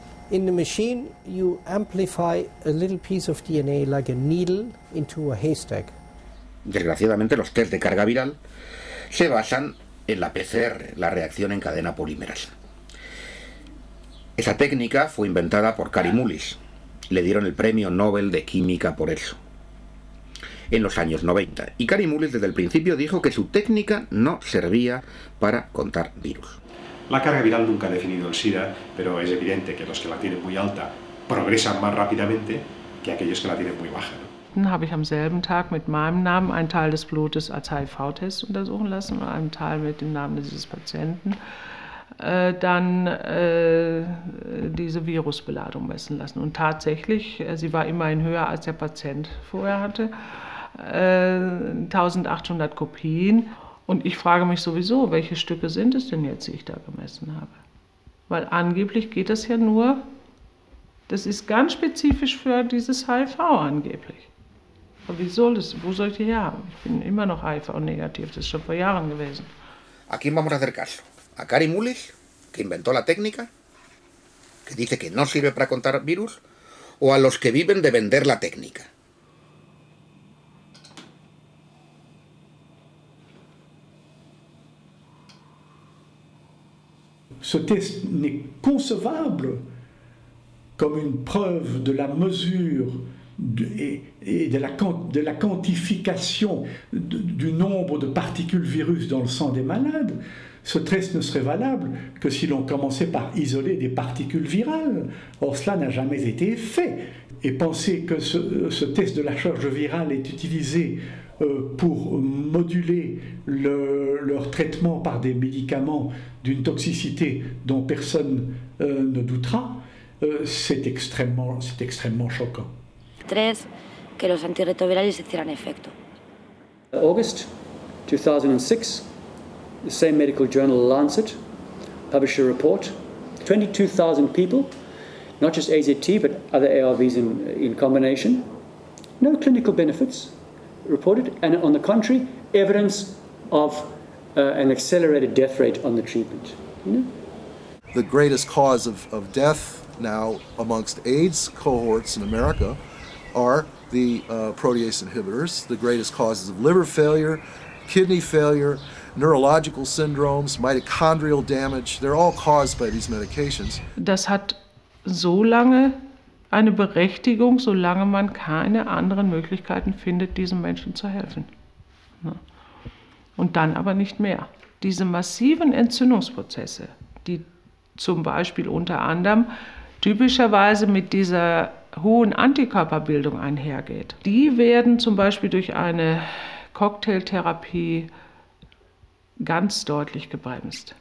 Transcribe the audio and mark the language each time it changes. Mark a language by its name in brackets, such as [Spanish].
[English] In the machine, you amplify a little piece of DNA like a needle into a haystack. [Spanish] Desgraciadamente, los test de carga viral se basan en la PCR, la reacción en cadena polimerasa. Esa técnica fue inventada por Cary Mullis. Le dieron el premio Nobel de Química por eso, en los años 90. Y Cary Mullis desde el principio dijo que su técnica no servía para contar virus. La carga viral nunca ha definido el SIDA, pero es evidente que los que la tienen muy alta progresan más rápidamente que aquellos que la tienen muy baja, ¿no? [German] Habe ich am selben Tag mit meinem Namen einen Teil des Blutes als HIV-Test untersuchen lassen und einen Teil mit dem Namen dieses Patienten. Dann diese Virusbeladung messen lassen. Und tatsächlich, sie war immerhin höher als der Patient vorher hatte, 1800 Kopien. Und ich frage mich sowieso, welche Stücke sind es denn jetzt, die ich da gemessen habe? Weil angeblich geht das ja nur, das ist ganz spezifisch für dieses HIV angeblich. Aber wie soll das, wo soll ich die herhaben? Ich bin immer noch HIV-negativ, das ist schon vor Jahren gewesen. [Spanish] ¿A quién vamos a hacer caso? ¿A Cary Mullis, que inventó la técnica, que dice que no sirve para contar virus, o a los que viven de vender la técnica. [French] Ce test n'est concevable comme une preuve de la mesure de la quantification du nombre de particules virus dans le sang des malades. Ce test ne serait valable que si l'on commençait par isoler des particules virales. Or, cela n'a jamais été fait. Et penser que ce test de la charge virale est utilisé pour moduler leur traitement par des médicaments d'une toxicité dont personne ne doutera, c'est extrêmement choquant. [Spanish] 3, que los antirretrovirales hicieran efecto. [English] August 2006, the same medical journal Lancet published a report. 22,000 people, not just AZT but other ARVs in combination, no clinical benefits reported, and on the contrary, evidence of an accelerated death rate on the treatment. The greatest cause of death now amongst AIDS cohorts in America are the protease inhibitors. The greatest causes of liver failure, kidney failure, neurological syndromes, mitochondrial damage, they're all caused by these medications. [German] Das hat so lange eine Berechtigung, solange man keine anderen Möglichkeiten findet, diesen Menschen zu helfen. Und dann aber nicht mehr. Diese massiven Entzündungsprozesse, die zum Beispiel unter anderem typischerweise mit dieser hohen Antikörperbildung einhergeht, die werden zum Beispiel durch eine Cocktailtherapie ganz deutlich gebremst.